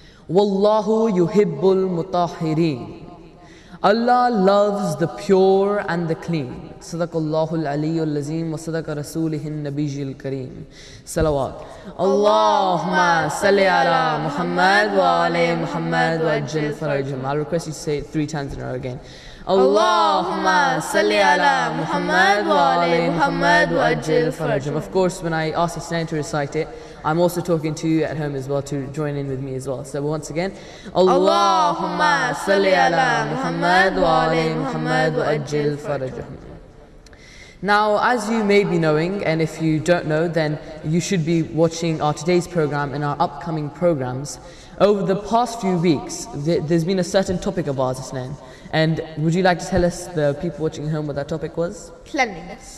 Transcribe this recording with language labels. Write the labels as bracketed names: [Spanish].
[Arabic] والله يحب المطهرين [English] Allah loves the pure and the clean [Arabic] صدق الله العلي العظيم وصدق رسوله النبي الكريم صلوات اللهم صل على محمد وعلى محمد وأجل فرجهم [English] I'll request you to say it three times in a row again [Arabic] اللهم صل على محمد وعلى محمد وأجل فرجهم [English] Of course, when I ask a student to recite it, I'm also talking to you at home as well to join in with me as well. So once again, [Arabic] اللهم صل على محمد وعلى محمد وأجل فرجهم [English] Now, as you may be knowing, and if you don't know, then you should be watching our today's program and our upcoming programs. Over the past few weeks, there's been a certain topic of ours, Isnan. And would you like to tell us, the people watching at home, what that topic was? Cleanliness.